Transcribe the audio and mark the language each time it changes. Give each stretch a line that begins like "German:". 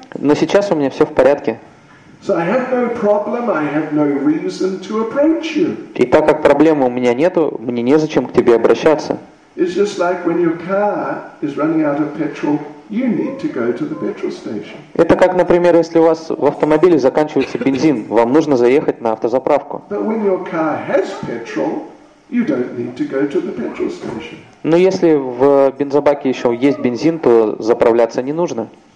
Russian: Но сейчас у меня все в порядке.
English: So I have no problem, I have no reason to approach you.
Russian: И так как проблемы у меня нету, мне незачем к тебе обращаться.
English: It's just like when your car is running out of petrol,
Russian: Это как, например, если у вас в автомобиле заканчивается бензин, вам нужно заехать на автозаправку. Но если в бензобаке еще есть бензин, то заправляться не нужно.